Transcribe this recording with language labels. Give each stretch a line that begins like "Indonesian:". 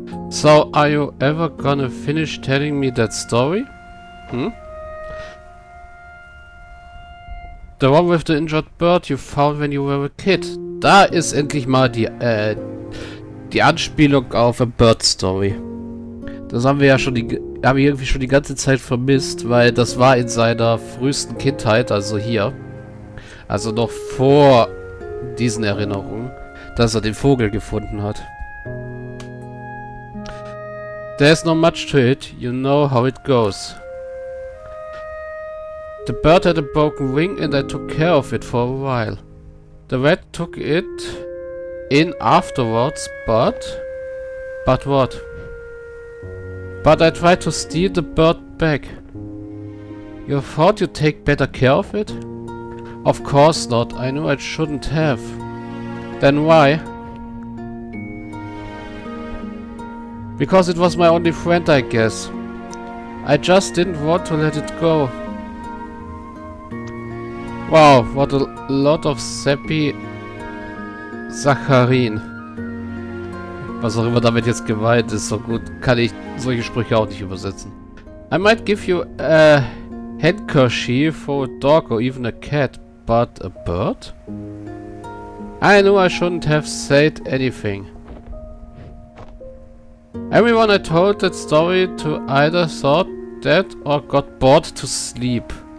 English: So, are you ever gonna finish telling me that story? Hmm? The one with the injured bird you found when you were a kid.
German: Da ist endlich mal die Anspielung auf a Bird Story. Das haben wir ja schon die ganze Zeit vermisst, weil das war in seiner frühesten Kindheit, also hier. Also noch vor diesen Erinnerungen, dass er den Vogel gefunden hat.
English: There's not much to it, you know how it goes. The bird had a broken wing and I took care of it for a while. The vet took it in afterwards, but what? But I tried to steal the bird back. You thought you'd take better care of it? Of course not, I knew I shouldn't have. Then why? Because it was my only friend, I guess. I just didn't want to let it go. Wow, what a lot of sappy Saccharin.
German: Was auch immer damit jetzt gemeint ist, so gut kann ich solche Sprüche auch nicht übersetzen.
English: I might give you a handkerchief for a dog or even a cat, but a bird? I know I shouldn't have said anything. Everyone I told that story to either thought dead or got bored to sleep.